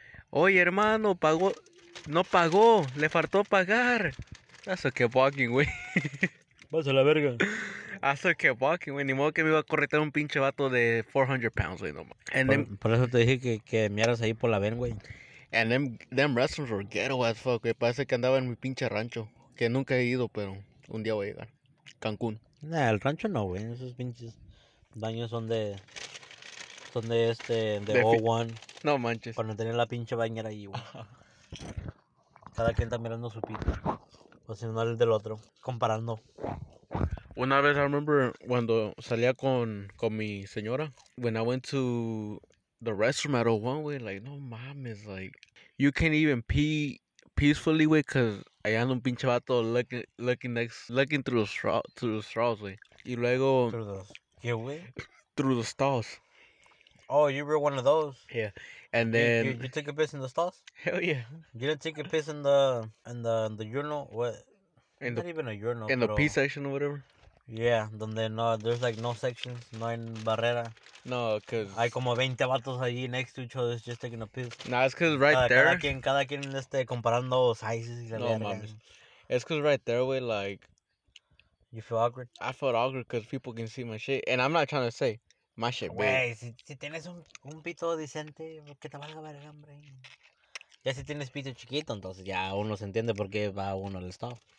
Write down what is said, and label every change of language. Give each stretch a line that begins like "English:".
Spanish: Oye, hermano, pagó. No pagó, le faltó pagar.
English: That's a keep walking, güey.
Spanish: Vas a la verga.
English: That's a keep walking,
Spanish: güey. Ni modo que me iba a corretar un pinche vato de 400 pounds, güey. No, por eso te dije que miaras ahí por la ven, güey.
English: And them restaurants were ghetto as fuck, güey.
Spanish: Parece que andaba en mi pinche rancho. Que nunca he ido, pero un día voy a llegar. Cancún. Nah, el rancho no, güey. Esos pinches baños son de... Son de este... De old one. No manches. Cuando tenía la pinche bañera ahí, güey. Cada quien está mirando su pito. O si no, el del otro. Comparando. Una vez,
English: I remember,
Spanish: cuando salía con mi señora.
English: When I went to the restroom at old one, güey. Like,
Spanish: no mames.
English: Like, you can't even pee peacefully, güey, because
Spanish: allá anda un pinche vato
English: looking through the straws, güey.
Spanish: Y luego... ¿Qué, güey?
English: Through the stalls. Oh, you were one of those. Yeah. And then... You took a piss in the stalls? Hell yeah. You didn't take a piss in the urinal? What? Not even a urinal, in the pee section or whatever?
Spanish: Yeah. Donde no,
English: there's like no sections,
Spanish: no hay barrera.
English: No, because...
Spanish: Hay como 20 vatos allí
English: next to each other just taking a piss. Nah, it's because right there...
Spanish: Cada quien este comparando sizes y la no, verga. No, mames.
English: It's because right there, we like... You feel awkward? I felt awkward because people can see my shit. And I'm not trying to say my shit, babe.
Spanish: Güey, si tienes un pito decente, que te valga ver el hambre. Ya si tienes pito chiquito, entonces ya uno se entiende por qué va uno al stop.